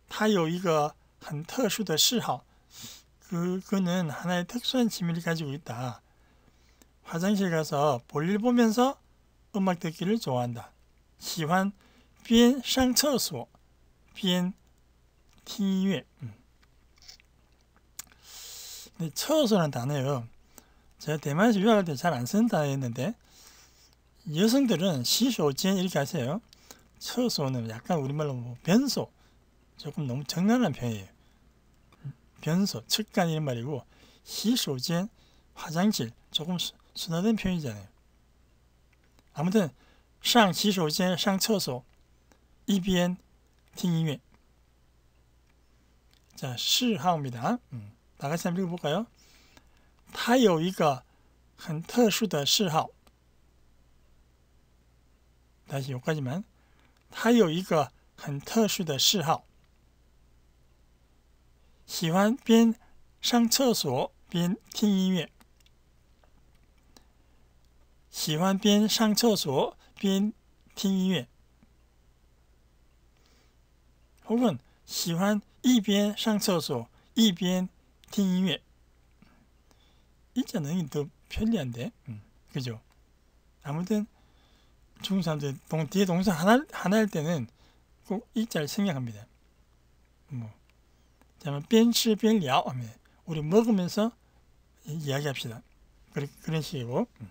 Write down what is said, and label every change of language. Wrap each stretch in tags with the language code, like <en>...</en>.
<zh>他有一个很特殊的嗜好.</zh> <ko>그는 하나의 특수한 취미를 가지고 있다. 화장실 가서 볼일 보면서 음악 듣기를 좋아한다.</ko> <zh>喜欢边上厕所边听音乐.</zh> <ko>근데 厕所란 단어요, 제가 대만에서 유학할 때 잘 안 쓴다 했는데, 여성들은 시소진 이렇게 하세요. 厕所는 약간 우리말로 뭐 변소, 조금 너무 적나라한 표현이에요. 변소, 측간 이런 말이고, 시소진, 화장실, 조금 순화된 표현이잖아요. 아무튼</ko> <zh>上洗手间上厕所一边听音乐.</zh> <ko>자, 嗜好입니다. 다 같이 한번 읽어볼까요?</ko> <zh>他有一个很特殊的嗜好.</zh> <ko>다시 여기까지만.</ko> <zh>他有一个很特殊的嗜好. 喜欢边上厕所边听音乐. 喜欢边上厕所边听音乐.</zh> <ko>혹은</ko> <zh>喜欢一边上厕所一边听音乐.</zh> <ko>이자는 더 편리한데, 그죠? 아무튼 중국 사람들 뒤에 동사 하나일 때는 꼭 이자를 생략합니다. 뭐, 자면</ko> <zh>边吃边聊,</zh> <ko>우리 먹으면서 이야기합시다. 그런 식이고.</ko>